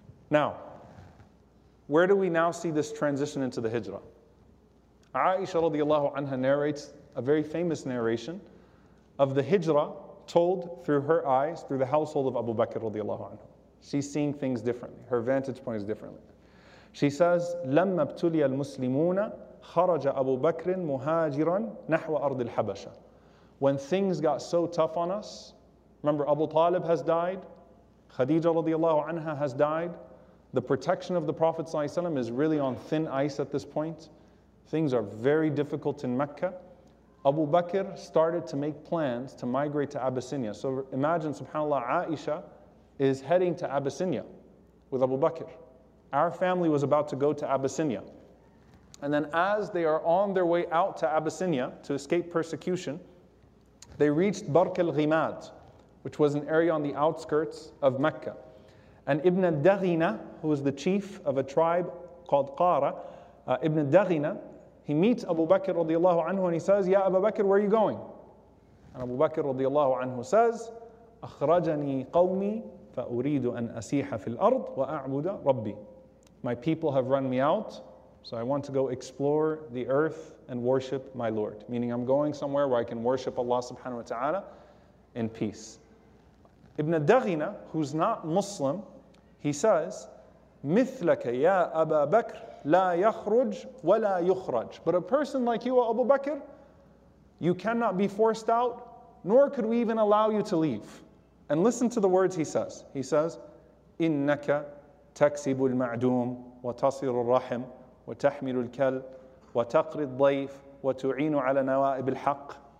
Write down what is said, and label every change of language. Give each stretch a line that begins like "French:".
English: Now, where do we now see this transition into the Hijrah? Aisha radiallahu anha narrates a very famous narration of the Hijrah told through her eyes, through the household of Abu Bakr radiallahu anhu. She's seeing things differently. Her vantage point is differently. She says,
Arabic: لَمَّا ابْتُلِيَ الْمُسْلِمُونَ خَرَجَ أَبُو بَكْرٍ مُهَاجِرًا نَحْوَ أَرْضِ الْحَبَشَةِ.
English: When things got so tough on us, remember Abu Talib has died, Khadija radiallahu anha has died, the protection of the Prophet ﷺ is really on thin ice at this point. Things are very difficult in Mecca. Abu Bakr started to make plans to migrate to Abyssinia. So imagine, subhanAllah, Aisha is heading to Abyssinia with Abu Bakr. Our family was about to go to Abyssinia. And then as they are on their way out to Abyssinia to escape persecution, they reached Barq al-Ghimad, which was an area on the outskirts of Mecca. And Ibn al-Daghina, who is the chief of a tribe called Qara, Ibn al-Daghina, he meets Abu Bakr radiallahu anhu and he says, Ya Abu Bakr, where are you going? And Abu Bakr radiallahu anhu says,
Arabic: أخرجني قومي فأريد أن أسيح في الأرض وأعبد ربي.
English: My people have run me out, so I want to go explore the earth and worship my Lord. Meaning I'm going somewhere where I can worship Allah subhanahu wa ta'ala in peace. Ibn al-Daghina, who's not Muslim, he says,
Arabic: مِثْلَكَ يَا أَبَا بَكْرِ لَا يَخْرُجْ وَلَا يُخْرَجْ.
English: But a person like you, Abu Bakr, you cannot be forced out, nor could we even allow you to leave. And listen to the words he says. He says,
Arabic: إِنَّكَ تَكْسِبُ الْمَعْدُومِ وَتَصِرُ الرَّحِمِ وَتَحْمِلُ الْكَلْ وَتَقْرِ الضَّيْفِ وَتُعِينُ عَلَى نَوَائِبِ الْحَقِّ.